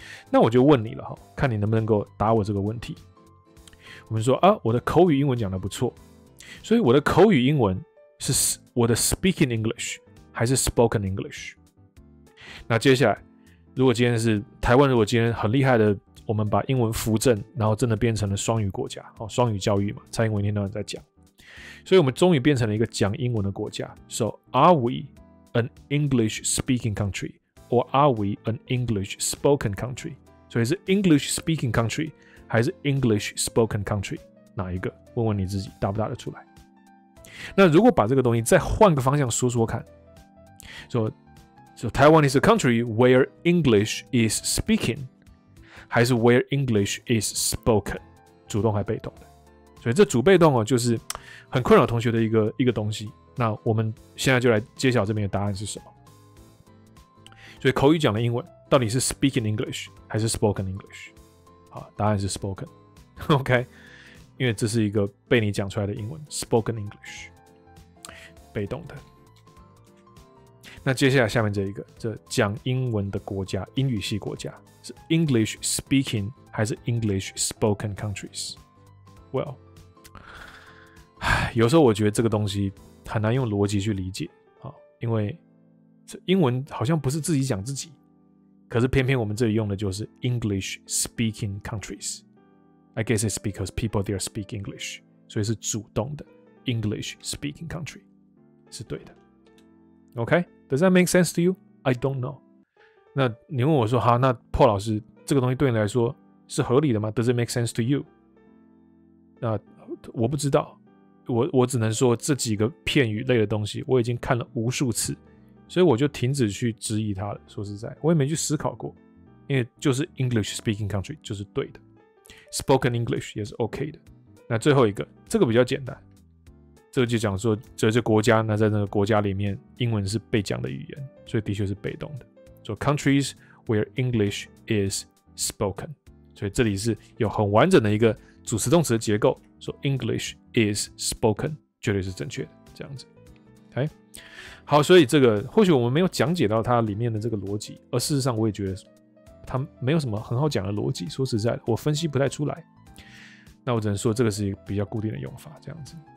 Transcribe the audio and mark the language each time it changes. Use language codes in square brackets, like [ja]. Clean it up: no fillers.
[zh] 那我就问你了，看你能不能够答我这个问题。我们说啊，我的口语英文讲得不错，所以我的口语英文是我的 [en] speaking English [zh] 还是 [en] spoken English？ [zh] 那接下来，如果今天是台湾，如果今天很厉害的，我们把英文扶正，然后真的变成了双语国家，哦，双语教育嘛，蔡英文一天到晚在讲，所以我们终于变成了一个讲英文的国家。 [en] So are we an English speaking country or are we an English spoken country？ [zh] 所以是 [en] English speaking country。 [zh] 还是 [en] English spoken country， [zh] 哪一个？问问你自己，答不答得出来？那如果把这个东西再换个方向说说看，说 ， [en] So Taiwan is a country where English is speaking， [zh] 还是 [en] where English is spoken， [zh] 主动还被动的？所以这主被动哦，就是很困扰同学的一个东西。那我们现在就来揭晓这边的答案是什么。所以口语讲的英文到底是 [en] speaking English [zh] 还是 [en] spoken English？ [zh] 答案是 spoken， OK， 因为这是一个被你讲出来的英文 [en] spoken English， [zh] 被动的。那接下来下面这一个，这讲英文的国家，英语系国家是 [en] English speaking [zh] 还是 [en] English spoken countries？ [zh] Well， 有时候我觉得这个东西很难用逻辑去理解，因为这英文好像不是自己讲自己。可是偏偏我们这里用的就是 [en] English speaking countries， I guess it's because people there speak English， [zh] 所以是主动的 [en] English speaking country [zh] 是对的。 [en] OK， does that make sense to you？ I don't know。 [zh] 那你问我说哈，那 Paul 老师，这个东西对你来说是合理的吗？ [en] Does it make sense to you？ [zh] 那我不知道， 我只能说这几个片语类的东西我已经看了无数次，所以我就停止去质疑他了。说实在，我也没去思考过，因为就是 [en] English speaking country [zh] 就是对的， [en] spoken English [zh] 也是 OK 的。那最后一个，这个比较简单，这个就讲说，这是国家，那在那个国家里面，英文是被讲的语言，所以的确是被动的。 [en] So countries where English is spoken. [zh] 所以这里是有很完整的一个主词动词的结构，说 [en] English is spoken [zh] 绝对是正确的，这样子。 OK， 好，所以这个或许我们没有讲解到它里面的这个逻辑，而事实上我也觉得它没有什么很好讲的逻辑。说实在的，我分析不太出来。那我只能说这个是一个比较固定的用法，这样子。